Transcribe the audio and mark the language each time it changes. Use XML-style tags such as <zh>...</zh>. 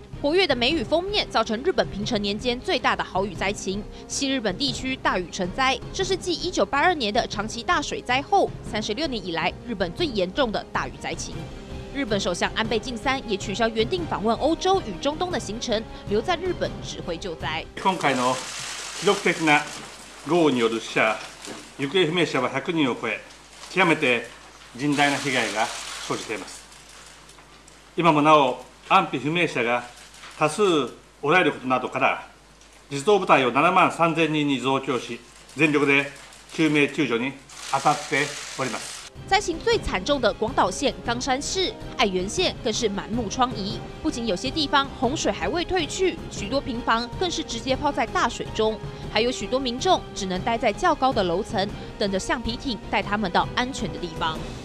<zh>活跃的梅雨封面造成日本平成年间最大的豪雨灾情，西日本地区大雨成灾，这是继1982年的长崎大水灾后36年以来日本最严重的大雨灾情。日本首相安倍晋三也取消原定访问欧洲与中东的行程，留在日本指挥救灾。</zh> <ja>今回の記録的な豪雨による死者、行方不明者は100人を超え、極めて甚大な被害が生じています。今もなお安否不明者が多数おられることなどから、実動部隊を7万3000人に増強し、全力で救命救助に当たっております。</ja> <zh>灾情最惨重的广岛县、冈山市、爱媛县更是满目疮痍，不仅有些地方洪水还未退去，许多平房更是直接泡在大水中，还有许多民众只能待在较高的楼层，等着橡皮艇带他们到安全的地方。</zh>